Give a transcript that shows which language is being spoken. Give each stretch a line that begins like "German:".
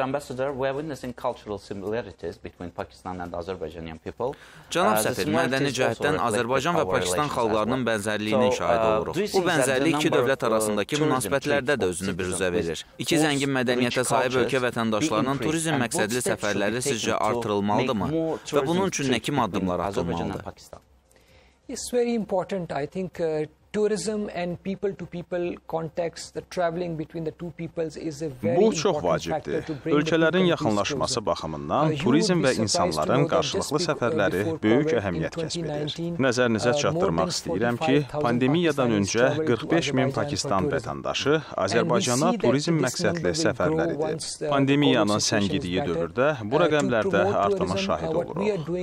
English: Ambassador, we are witnessing cultural similarities between Pakistan and Azerbaijanian people.
Azerbaijani: Cənab səfir, mədəni cəhətdən Azərbaycan və Pakistan xalqlarının bənzərliyinə şahid oluruq. Bu bənzərlik iki dövlət arasındakı münasibətlərdə də özünü büruzə verir. İki zəngin mədəniyyətə sahib ölkə vətəndaşlarının turizm məqsədli səfərləri sizcə artırılmalıdırmı? Və bunun üçün nə kimi addımlar atılmalıdır?
English: It's very important, I think, tourism and people-to-people context, the traveling between the two peoples is a very important factor.
Azerbaijani: Bu çox vacibdir. Ölkələrin yaxınlaşması baxımından turizm və insanların qarşılıqlı səfərləri böyük əhəmiyyət kəsb edir. Nəzərinizə çatdırmaq istəyirəm ki, pandemiyadan öncə 45 min Pakistan vətəndaşı Azərbaycana turizm məqsədli səfərləridir. Pandemiyanın səngidiyi dövrdə bu rəqəmlərdə artıma şahid oluruq.